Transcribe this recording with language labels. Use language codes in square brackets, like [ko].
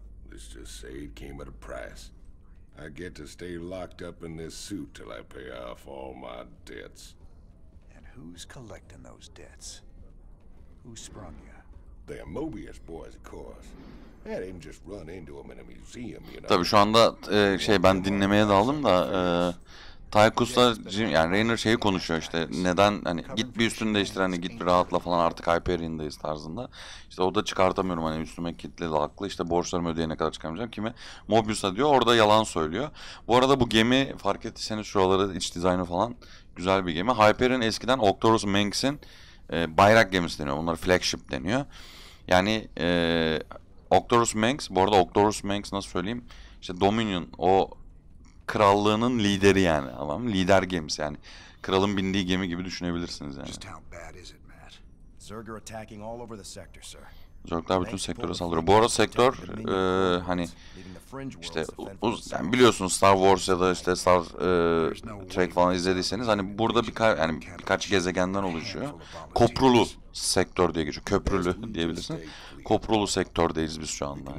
[en] Let's just say it came at a price. I get to stay locked up in this suit till I pay off all my debts. And who's collecting those debts? Who sprung you? The Mobius boys, of course. I didn't just run into them in a museum, you know. [tr] Tabii şu anda şey ben dinlemeye daldım da Tychus'la Jim, yani Raynor şeyi konuşuyor işte neden hani git bir üstünü değiştir hani git bir rahatla falan artık Hyperion'dayız tarzında. İşte o da çıkartamıyorum hani üstüme kilitledi haklı işte borçlarımı ödeyene kadar çıkamayacağım kime? Mobius'a diyor orada yalan söylüyor. Bu arada bu gemi fark ettiyseniz şuraları iç dizaynı falan güzel bir gemi. Hyperion eskiden Octorus Minx'in bayrak gemisi deniyor. Bunlar flagship deniyor. Yani Octorus Minx, bu arada Octorus Minx nasıl söyleyeyim? İşte Dominion o krallığının lideri yani tamam lider gemisi yani kralın bindiği gemi gibi düşünebilirsiniz yani. [en] Just how bad is it, Matt? Zerg are attacking all over the sector, sir. [tr] Zerg'ler bütün sektöre saldırıyor. Bu arada sektör hani işte yani biliyorsunuz Star Wars ya da işte Star Trek falan izlediyseniz hani burada birkaç gezegenden oluşuyor. Koprulu sektör diye geçiyor. Köprülü diyebilirsin. Koprulu sektördeyiz biz şu anda.